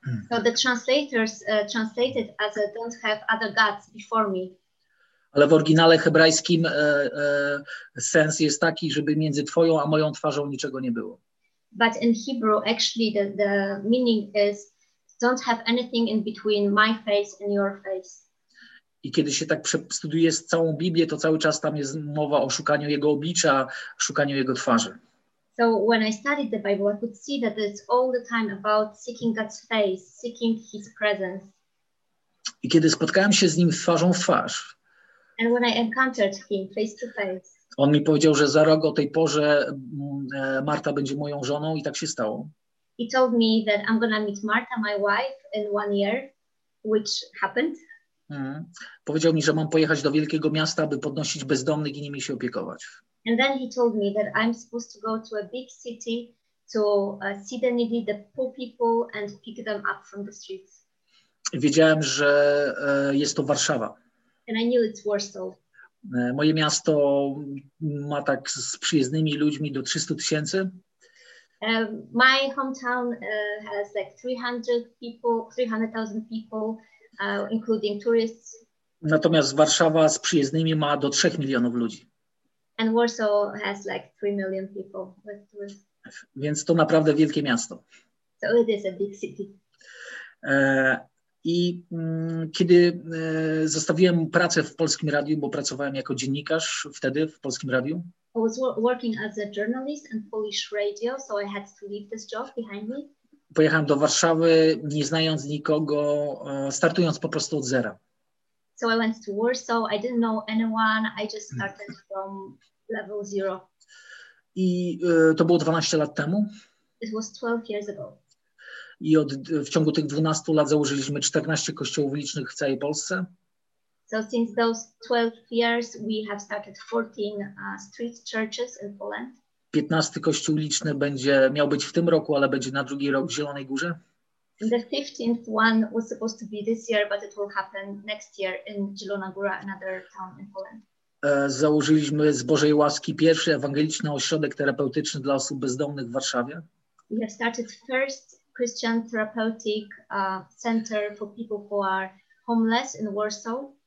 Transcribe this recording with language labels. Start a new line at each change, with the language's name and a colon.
English: So the translators translated as a don't have other gods before me.
Polish: Ale w oryginale hebrajskim sens jest taki, żeby między twoją a moją twarzą niczego nie było.
English: But in Hebrew, actually, the meaning is don't have anything in between my face and your face.
Polish: I kiedy się tak studiuje całą Biblię, to cały czas tam jest mowa o szukaniu Jego oblicza, szukaniu Jego twarzy.
English: So when I studied the Bible, I could see that it's all the time about seeking God's face, seeking His presence.
Polish: I kiedy spotkałem się z Nim twarzą w twarz.
English: And when I encountered Him face to face.
Polish: On mi powiedział, że za rok o tej porze Marta będzie moją żoną i tak się stało.
English: He told me that I'm gonna meet Marta, my wife, in 1 year, which happened.
Polish: Powiedział mi, że mam pojechać do wielkiego miasta, by podnosić bezdomnych i nimi się opiekować.
English: And then he told me that I'm supposed to go to a big city to see the needy, the poor people and pick them up from the streets.
Polish: Wiedziałem, że jest to Warszawa.
English: And I knew it's Warsaw.
Polish: Moje miasto ma tak z przyjezdnymi ludźmi do 300 tysięcy.
English: My hometown has like 300,000 people, including tourists.
Polish: Natomiast Warszawa z przyjezdnymi ma do 3 milionów ludzi.
English: And Warsaw has like 3 million people with tourists.
Polish: Więc to naprawdę wielkie miasto.
English: So it is a big city.
Polish: I kiedy zostawiłem pracę w Polskim Radiu, bo pracowałem jako dziennikarz wtedy w Polskim Radiu.
English: I was working as a journalist in Polish radio, so I had to leave this job behind me.
Polish: Pojechałem do Warszawy, nie znając nikogo, startując po prostu od zera.
English: So I went to Warsaw, I didn't know anyone, I just started from level zero.
Polish: I to było 12 lat temu.
English: It was 12 years ago.
Polish: I w ciągu tych 12 lat założyliśmy 14 kościołów licznych w całej Polsce.
English: So since those 12 years we have started 14 street churches in Poland.
Polish: 15 kościół liczny miał być w tym roku, ale będzie na drugi rok w Zielonej Górze.
English: And the 15th one was supposed to be this year, but it will happen next year in Zielona Góra, another town in Poland.
Polish: Założyliśmy z Bożej łaski pierwszy ewangeliczny ośrodek terapeutyczny dla osób bezdomnych w Warszawie.
English: We have started first Christian therapeutic center for people who are homeless in Warsaw.